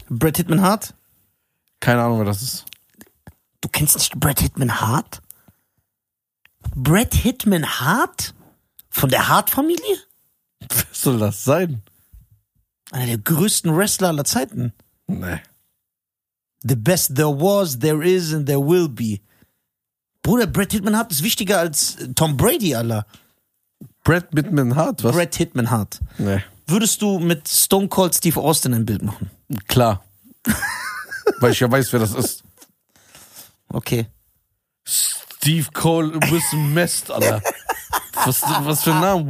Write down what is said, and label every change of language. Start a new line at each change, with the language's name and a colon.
German: Bret Hitman Hart? Keine Ahnung, wer das ist. Du kennst nicht Bret Hitman Hart? Bret Hitman Hart? Von der Hart-Familie? Wer soll das sein? Einer der größten Wrestler aller Zeiten. Nee.
English: The best there was, there is and there will be.
German: Bruder, Brad Hitman Hart ist wichtiger als Tom Brady, Alter. Brad Hitman Hart, was? Brad Hitman Hart. Nee. Würdest du mit Stone Cold Steve Austin ein Bild machen? Klar. Weil ich ja weiß, wer das ist. Okay. Steve Cole, Wilson Mest, Alter. Was für ein Name?